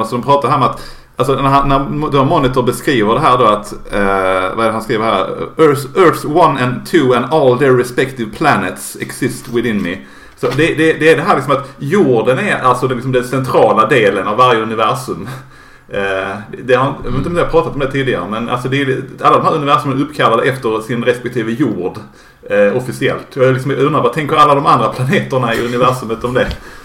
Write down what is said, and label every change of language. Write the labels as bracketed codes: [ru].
[sv] Alltså de pratar här om att, alltså när Monitor beskriver det här då att, vad är det han skriver här? [en] Earth 1 and 2 and all their respective planets exist within me. [sv] Så det är det här liksom att jorden är alltså liksom den centrala delen av varje universum. Jag vet inte om jag har pratat om det tidigare, men alltså alla de här universum är uppkallade efter sin respektive jord officiellt. Jag liksom undrar, vad tänker alla de andra planeterna i universumet om det?